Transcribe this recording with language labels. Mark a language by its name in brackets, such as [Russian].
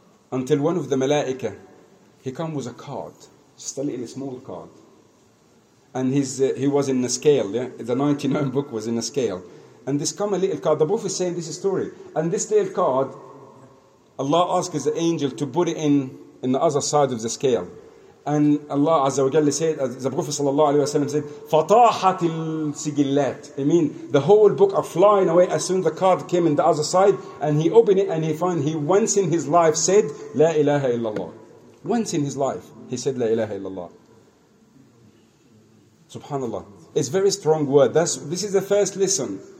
[English] Until one of the malaika, he come with a card. Just a little small card. And he was in a scale. Yeah? The 99 book was in a scale. And this come a little card. The Prophet is saying this story. And this little card, Allah asked the angel to put it in the other side of the scale. [Arabic] أن الله عز وجل [English] said, the Prophet [Arabic] صلى الله عليه وسلم said, فطاحت السجلات. [English] I mean, the whole book are flying away as soon as the card came in the other side, and he opened it and he found he once in his life said, [Arabic] لا إله إلا الله. [English] Once in his life, he said, [Arabic] لا إله إلا الله. [English] Subhanallah. It's a very strong word. This is the first lesson.